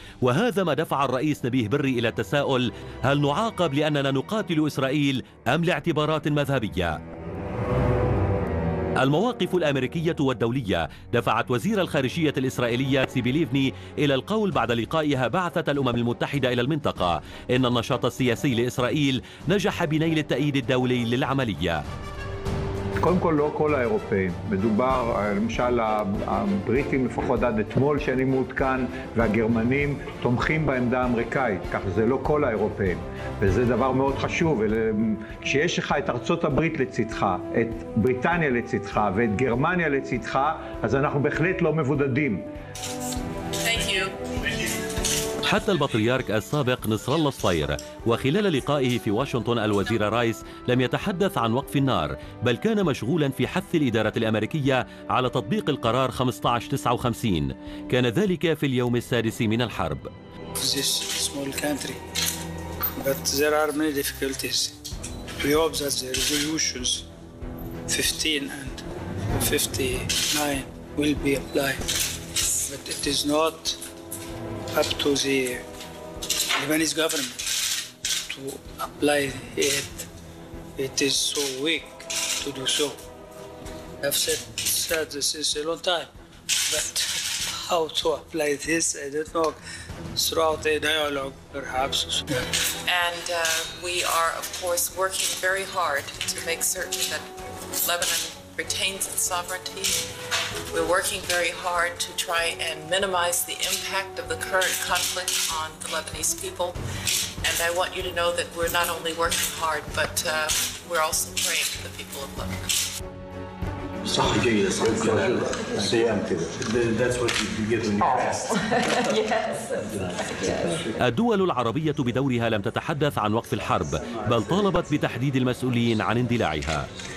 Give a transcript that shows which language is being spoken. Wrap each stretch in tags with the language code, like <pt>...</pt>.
<ar>وهذا ما دفع الرئيس نبيه بري إلى التساؤل، هل نعاقب لأننا نقاتل إسرائيل أم لاعتبارات مذهبية؟ المواقف الأمريكية والدولية دفعت وزير الخارجية الإسرائيلية تسيبي ليفني إلى القول بعد لقائها بعثة الأمم المتحدة إلى المنطقة إن النشاط السياسي لإسرائيل نجح بنيل التأييد الدولي للعملية.</ar> <he>קודם כל לא כל האירופאים, מדובר למשל הבריטים לפחות עד אתמול שאני מעודכן והגרמנים תומכים בעמדה האמריקאית, כך זה לא כל האירופאים וזה דבר מאוד חשוב, כשיש לך את ארצות הברית לצדך, את בריטניה לצדך ואת גרמניה לצדך, אז אנחנו בהחלט לא מבודדים.</he> <ar>حتى البطريرك السابق نصر الله الصير وخلال لقائه في واشنطن الوزير رايس لم يتحدث عن وقف النار، بل كان مشغولا في حث الإدارة الأمريكية على تطبيق القرار 1559. كان ذلك في اليوم السادس من الحرب.</ar> <en>This small country, but there are many difficulties. We hope that the resolutions 15 and 59 will be applied, but it is not up to the Lebanese government to apply it. It is so weak to do so. I've said this is a long time, but how to apply this, I don't know, throughout the dialogue, perhaps. And we are, of course, working very hard to make certain that Lebanon retains its sovereignty. We're working very hard to try and minimize the impact of the current conflict on the Lebanese people. And I want you to know that we're not only working hard, but we're also praying for the people of Lebanon.</en> <ar>الدول العربية بدورها لم تتحدث عن وقف الحرب، بل طالبت بتحديد المسؤولين عن اندلاعها.</ar>